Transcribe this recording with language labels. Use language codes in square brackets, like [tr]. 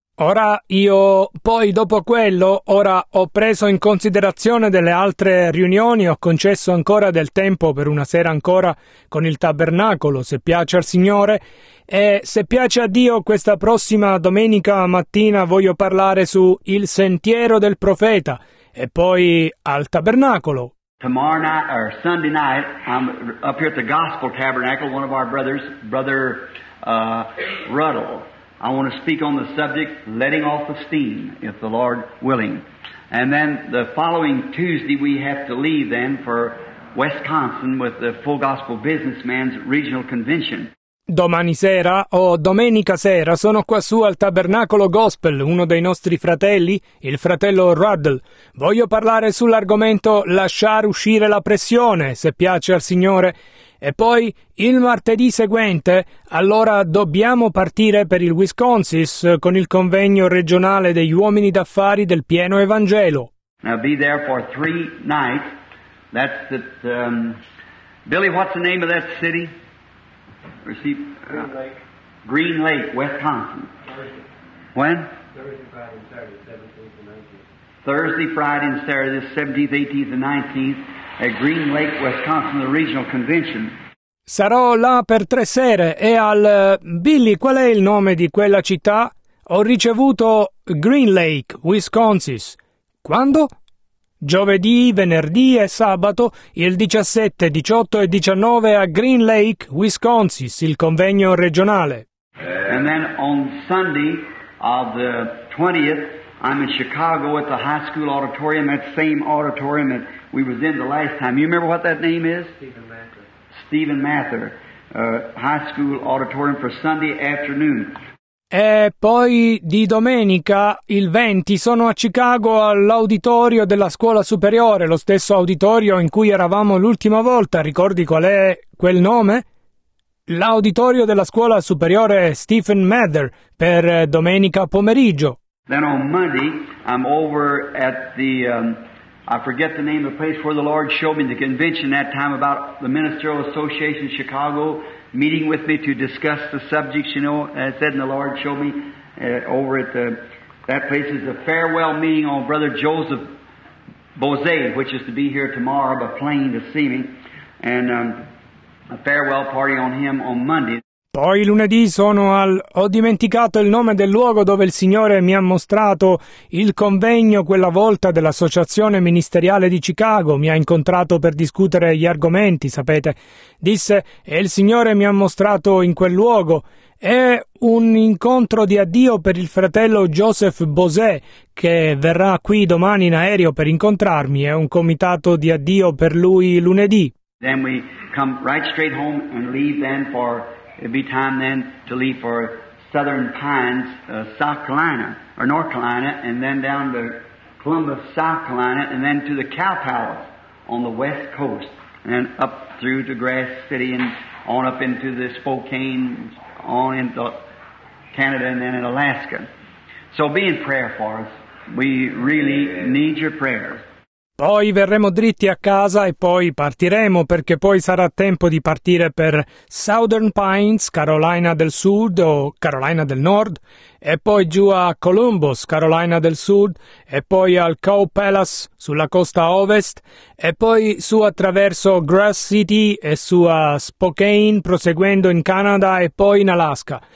[it] Ora io, poi dopo quello, ora ho preso in considerazione delle altre riunioni, ho concesso ancora del tempo per una sera ancora con il tabernacolo, se piace al Signore, e se piace a Dio questa prossima domenica mattina voglio parlare su il sentiero del profeta e poi al tabernacolo. [en] Tomorrow night, or Sunday night, I'm up here at the Gospel Tabernacle, one of our brothers, Brother Ruddle. I want to speak on the subject, letting off the steam, if the Lord willing. And then the following Tuesday, we have to leave then for Wisconsin with the Full Gospel Businessman's Regional Convention. [it] Domani sera, o domenica sera, sono qua su al Tabernacolo Gospel, uno dei nostri fratelli, il fratello Ruddle. Voglio parlare sull'argomento lasciare uscire la pressione, se piace al Signore. E poi, il martedì seguente, allora dobbiamo partire per il Wisconsin con il convegno regionale degli uomini d'affari del pieno Evangelo. [en] Now be there for three nights. That's the... Billy, what's the name of that city? Green Lake. Green Lake, Wisconsin. Thursday. When? Thursday, Friday, and Saturday, 17th and 19th. Thursday, Friday, and Saturday, 17th, 18th and 19th. A Green Lake, Wisconsin, the regional convention. [it] Sarò là per tre sere e al Billy, qual è il nome di quella città? ho ricevuto Green Lake, Wisconsin. Quando? Giovedì, venerdì e sabato, il 17, 18 e 19 a Green Lake, Wisconsin, il convegno regionale. [en] And then on Sunday of the 20th, I'm in Chicago at the high school auditorium, that same auditorium that we was in the last time. You remember what that name is? Stephen Mather. Stephen Mather, high school auditorium for Sunday afternoon. [it] E poi di domenica, il 20, sono a Chicago all'auditorio della scuola superiore, lo stesso auditorio in cui eravamo l'ultima volta. Ricordi qual è quel nome? L'auditorio della scuola superiore Stephen Mather per domenica pomeriggio. [en] Then on Monday I'm over at the I forget the name of the place where the Lord showed me the convention that time about the Ministerial Association of Chicago meeting with me to discuss the subjects, you know, as I said, and the Lord showed me over at the, that place is a farewell meeting on Brother Joseph Bose, which is to be here tomorrow by plane to see me, and a farewell party on him on Monday. [it] Poi lunedì sono al... ho dimenticato il nome del luogo dove il Signore mi ha mostrato il convegno quella volta dell'Associazione Ministeriale di Chicago, mi ha incontrato per discutere gli argomenti, sapete, disse, e il Signore mi ha mostrato in quel luogo, è un incontro di addio per il fratello Joseph Bose, che verrà qui domani in aereo per incontrarmi, è un comitato di addio per lui lunedì. [en] Then we come right straight home and leave then for... It'd be time then to leave for Southern Pines, South Carolina, or North Carolina, and then down to Columbus, South Carolina, and then to the Cow Palace on the west coast, and then up through to Grass City, and on up into the Spokane, on into Canada, and then in Alaska. So be in prayer for us. We really need your prayers. [it] Poi verremo dritti a casa e poi partiremo, perché poi sarà tempo di partire per Southern Pines, Carolina del Sud o Carolina del Nord, e poi giù a Columbus, Carolina del Sud, e poi al Cow Palace sulla costa ovest, e poi su attraverso Grass City e su a Spokane, proseguendo in Canada e poi in Alaska.